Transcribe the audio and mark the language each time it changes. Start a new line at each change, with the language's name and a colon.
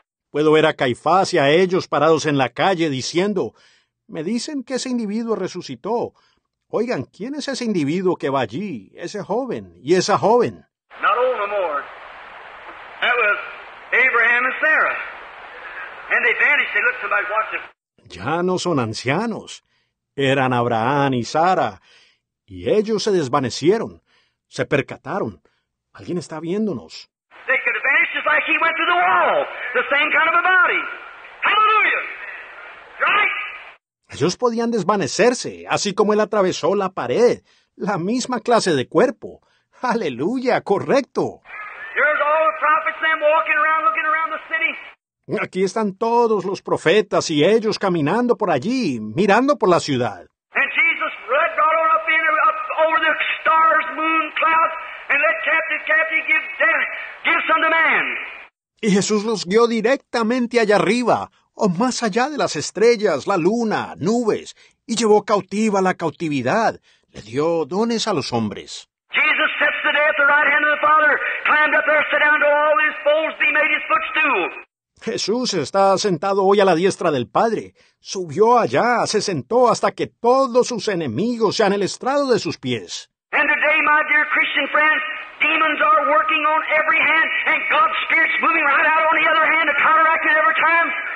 Spanish: Puedo ver a Caifás y a ellos parados en la calle diciendo, me dicen que ese individuo resucitó. Oigan, ¿quién es ese individuo que va allí? Ese joven y esa joven.
English: Not old no more. That was Abraham and Sarah. And they vanished. They looked, somebody watched them.
Spanish: Ya no son ancianos. Eran Abraham y Sara. Y ellos se desvanecieron. Se percataron. Alguien está viéndonos.
English: They could have vanished just like he went through the wall. The same kind of a body. Hallelujah. Right?
Spanish: Ellos podían desvanecerse, así como él atravesó la pared. La misma clase de cuerpo. Aleluya, correcto.
English: Here's all the prophets and walking around, looking around the city.
Spanish: Aquí están todos los profetas y ellos caminando por allí, mirando por la ciudad.
English: And Jesus led right on up in, up over the stars, moon, clouds. And let captive give death, give some to man.
Spanish: Y Jesús los guió directamente allá arriba, o más allá de las estrellas, la luna, nubes, y llevó cautiva la cautividad. Le dio dones a los hombres.
English: Jesus the right hand of the Father, climbed up there, sat down to all his foes, he made his footstool.
Spanish: Jesús está sentado hoy a la diestra del Padre. Subió allá, se sentó hasta que todos sus enemigos sean el estrado de sus pies.
English: And today, my dear Christian friends, demons are working on every hand, and God's Spirit's moving right out on the other hand to counteract it every time.